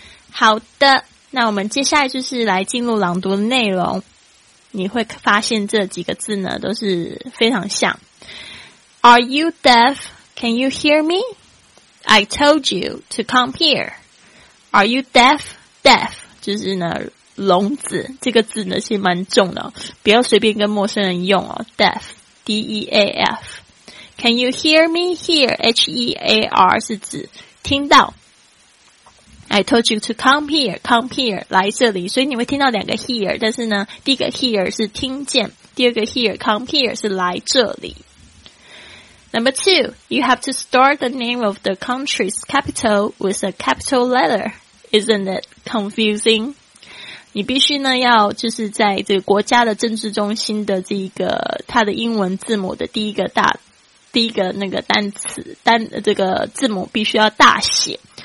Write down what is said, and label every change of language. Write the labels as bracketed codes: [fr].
[zh] 好的，那我们接下来就是来进入朗读的内容。你会发现这几个字呢都是非常像。 [en] Are you deaf? Can you hear meI told you to come here. Are you deaf? [zh] Deaf 就是呢聋子，这个字呢其实蛮重的，不要随便跟陌生人用哦。 [en] Deaf, D-E-A-F. Can you hear me here? H-E-A-R [zh] 是指听到。 [en] I told you to come here. [zh] Come here 来这里，所以你会听到两个 here， 但是呢第一个 here 是听见，第二个 here come here 是来这里。 [en] Number two, you have to start the name of the country's capital with a capital letter. Isn't it confusing? [zh] 你必须呢要就是在这个国家的政治中心的这一个它的英文字母的第一个那个单词单这个字母必须要大写。